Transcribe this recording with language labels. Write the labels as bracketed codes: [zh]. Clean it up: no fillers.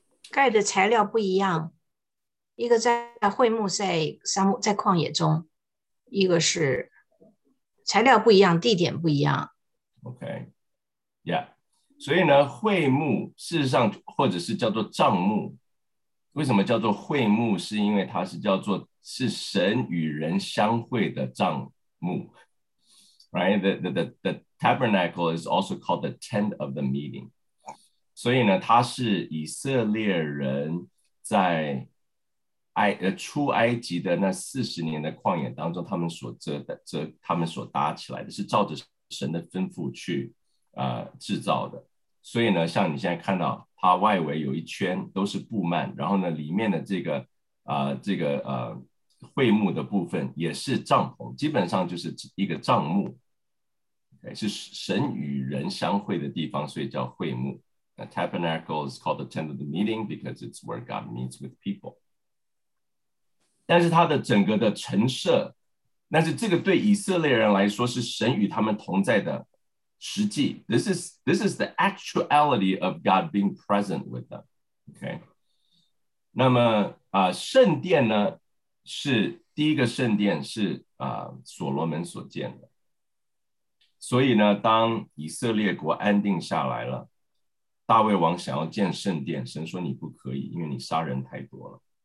[zh] 盖的材料不一样，一个在会幕在沙漠在旷野中，一个是材料不一样，地点不一样。 OK， yeah， 所以呢，会幕事实上或者是叫做帐幕，为什么叫做会幕？是因为它是叫做是神与人相会的帐幕。 [en] Right, the tabernacle is also called the tent of the meeting. [zh] 所以呢，它是以色列人在出埃及的那40年的旷野当中，他们所他们所搭起来的，是照着神的吩咐去制造的。所以呢，像你现在看到，它外围有一圈都是布幔，然后呢，里面的这个会幕的部分也是帐篷，基本上就是一个帐幕。是神与人相会的地方，所以叫会幕。 [en] A tabernacle is called the tent of the meeting because it's where God meets with people. [zh] 但是它的整个的陈设，但是这个对以色列人来说是神与他们同在的实际。 [en] This is the actuality of God being present with them. Okay. [zh] 那么圣殿呢，是第一个圣殿是所罗门所建的。所以呢，当以色列国安定下来了，大卫王想要建圣殿，神说你不可以，因为你杀人太多了。